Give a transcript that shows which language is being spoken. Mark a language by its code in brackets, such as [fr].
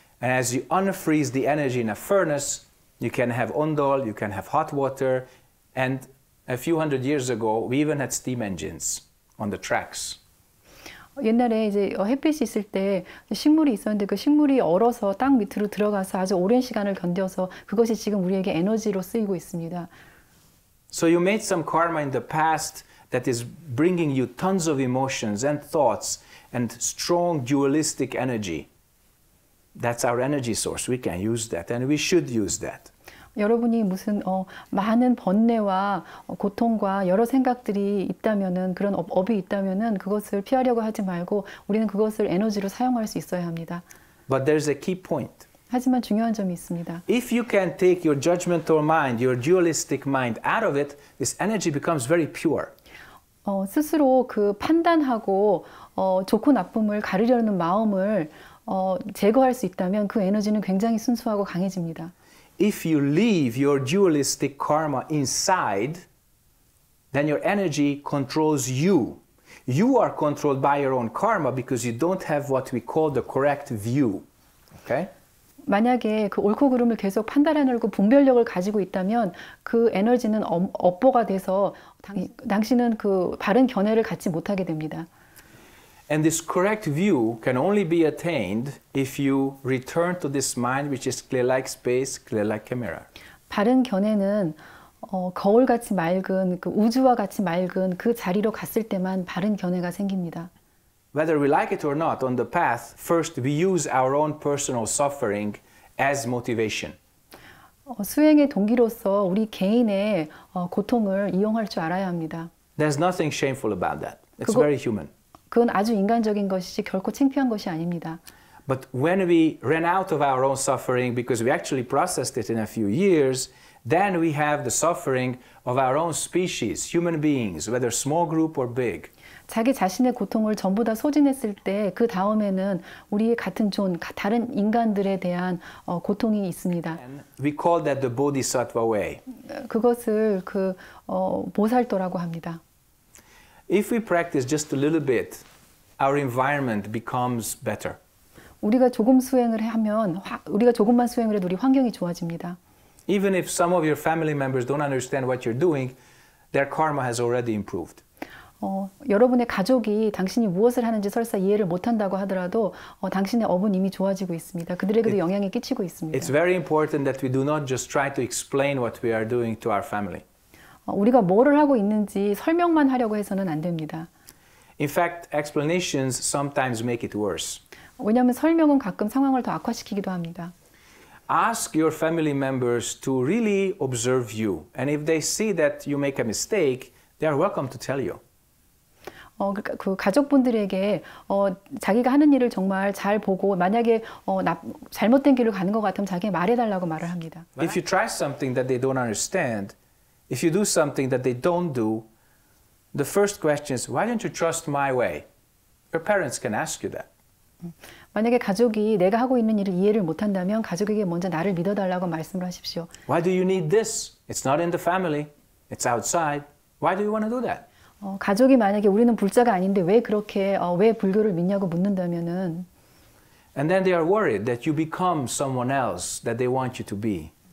[en] And as you unfreeze the energy in a furnace, you can have ondol, you can have hot water. And a few hundred years ago, we even had steam engines on the tracks. [ko] 옛날에 이제 햇빛이 있을 때 식물이 있었는데 그 식물이 얼어서 땅 밑으로 들어가서 아주 오랜 시간을 견뎌서 그것이 지금 우리에게 에너지로 쓰이고 있습니다. [en] So you made some karma in the past that is bringing you tons of emotions and thoughts and strong dualistic energy. That's our energy source. We can use that and we should use that. [ko] 여러분이 무슨 많은 번뇌와 고통과 여러 생각들이 있다면은 그런 업이 있다면은 그것을 피하려고 하지 말고 우리는 그것을 에너지로 사용할 수 있어야 합니다. [en] But there's a key point. [ko] 하지만 중요한 점이 있습니다. [en] If you can take your judgmental mind, your dualistic mind out of it, this energy becomes very pure. [ko] 스스로 그 판단하고 좋고 나쁨을 가르려는 마음을 제거할 수 있다면 그 에너지는 굉장히 순수하고 강해집니다. [en] If you leave your dualistic karma inside, then your energy controls you. You are controlled by your own karma because you don't have what we call the correct view. Okay? [ko] 만약에 그 옳고 그름을 계속 판단해내고 분별력을 가지고 있다면 그 에너지는 업보가 돼서 당신은 그 바른 견해를 갖지 못하게 됩니다. [en] And this correct view can only be attained if you return to this mind, which is clear-like space, clear-like mirror. [ko] 바른 견해는 거울같이 맑은 그 우주와 같이 맑은 그 자리로 갔을 때만 바른 견해가 생깁니다. [en] Whether we like it or not, on the path, first we use our own personal suffering as motivation. [ko] 수행의 동기로서 우리 개인의 고통을 이용할 줄 알아야 합니다. [en] There's nothing shameful about that. It's very human. [ko] 그건 아주 인간적인 것이지 결코 창피한 것이 아닙니다. [en] But when we ran out of our own suffering because we actually processed it in a few years, then we have the suffering of our own species, human beings, whether small group or big. [ko] 자기 자신의 고통을 전부 다 소진했을 때, 그 다음에는 우리의 같은 존, 다른 인간들에 대한 고통이 있습니다. [en] We call that the Bodhisattva way. [ko] 그것을 보살도라고 합니다. [en] If we practice just a little bit, our environment becomes better. [ko] 우리가 조금 수행을 하면, 우리가 조금만 수행을 해도 우리 환경이 좋아집니다. [en] Even if some of your family members don't understand what you're doing, their karma has already improved. [ko] 여러분의 가족이 당신이 무엇을 하는지 설사 이해를 못한다고 하더라도 당신의 업은 이미 좋아지고 있습니다. 그들에게도 영향이 끼치고 있습니다. [en] It's very important that we do not just try to explain what we are doing to our family. [ko] 우리가 뭐를 하고 있는지 설명만 하려고 해서는 안 됩니다. [en] In fact, explanations sometimes make it worse. [ko] 왜냐하면 설명은 가끔 상황을 더 악화시키기도 합니다. [en] Ask your family members to really observe you. And if they see that you make a mistake, they are welcome to tell you. [ko] 그 가족분들에게 자기가 하는 일을 정말 잘 보고 만약에 잘못된 길을 가는 것 같으면 자기에게 말해달라고 말을 합니다. [en] If you try something that they don't understand, if you do something that they don't do, the first question is, why don't you trust my way? Your parents can ask you that. [ko] 만약에 가족이 내가 하고 있는 일을 이해를 못한다면 가족에게 먼저 나를 믿어달라고 말씀을 하십시오. [en] Why do you need this? It's not in the family. It's outside. Why do you want to do that? [ko] 가족이 만약에 우리는 불자가 아닌데 왜 그렇게 왜 불교를 믿냐고 묻는다면은 [en] And then they are worried that you become someone else that they want you to be.